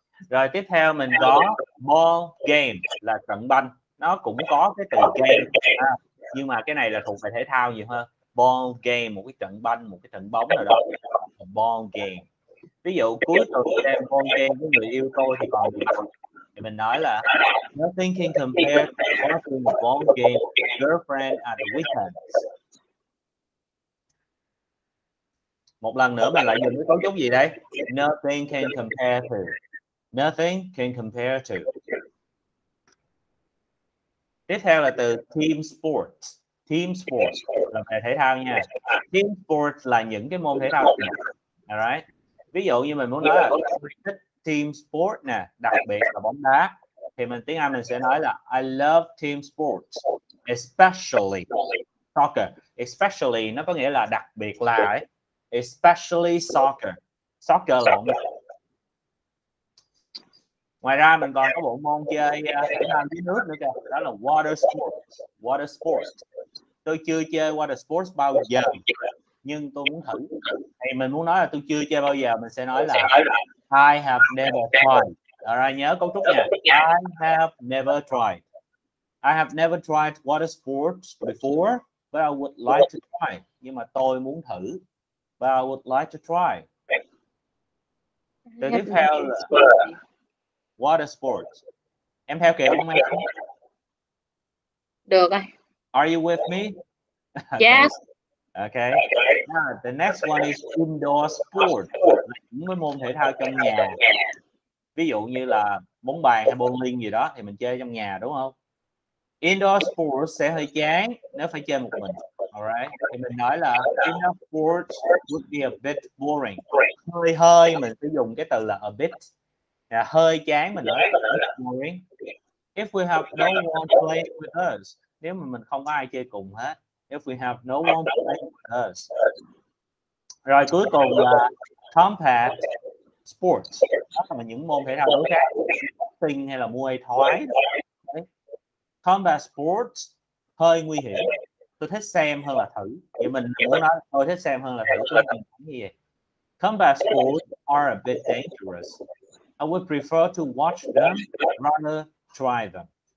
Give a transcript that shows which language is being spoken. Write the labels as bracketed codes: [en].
[vi] Rồi tiếp theo mình có ball game là trận banh. Nó cũng có cái từ game à, nhưng mà cái này là thuộc về thể thao nhiều hơn. Ball game, một cái trận banh, một cái trận bóng nào đó. Ball game. Ví dụ cuối tuần đem ball game với người yêu tôi thì còn gì? Thì mình nói là [en] nothing can compare to watching a ball game with girlfriend at the weekends. [vi] Một lần nữa mình lại dùng cái cấu trúc gì đây? [en] Nothing can compare to. Nothing can compare to. [vi] Tiếp theo là từ team sports. Team sports là về thể thao nha. Team sports là những cái môn thể thao. Alright. Ví dụ như mình muốn nói là thích team sport nè, đặc biệt là bóng đá, thì mình tiếng Anh mình sẽ nói là [en] I love team sports, especially soccer. [vi] Especially nó có nghĩa là đặc biệt là ấy. Especially soccer. Soccer là Ngoài ra mình còn có bộ môn chơi thể thao dưới nước nữa kìa, đó là water sports. Water sports. Tôi chưa chơi water sports bao giờ, nhưng tôi muốn thử. Thì mình muốn nói là tôi chưa chơi bao giờ, mình sẽ nói là [en] I have never tried. [vi] Alright, nhớ cấu trúc nha. [en] I have never tried. I have never tried water sports before, but I would like to try. [vi] Nhưng mà tôi muốn thử. [en] But I would like to try. [vi] Rồi tiếp theo là water sports. Em theo kiểu không em? Được rồi. [en] Are you with me? Yes. Okay. Now, the next one is indoor sport. [vi] Những cái môn thể thao trong nhà. Ví dụ như là bóng bàn hay bowling gì đó thì mình chơi trong nhà đúng không? Indoor sports sẽ hơi chán nếu phải chơi một mình. Alright. Thì mình nói là [en] indoor sports would be a bit boring. [vi] Hơi hơi mình sẽ dùng cái từ là a bit. Là hơi chán mình nói là boring. [en] If we have no one playing with us. [vi] Nếu mà mình không có ai chơi cùng hết. [en] If we have no one playing with us. [vi] Rồi cuối cùng là compact sports. Đó là những môn thể thao đối kháng. Boxing hay là muay thái. Combat sports hơi nguy hiểm. Tôi thích xem hơn là thử. Vậy mình muốn nói tôi thích xem hơn là thử. Tôi nhìn thấy gì vậy? [en] Combat sports are a bit dangerous. I would prefer to watch them rather try them.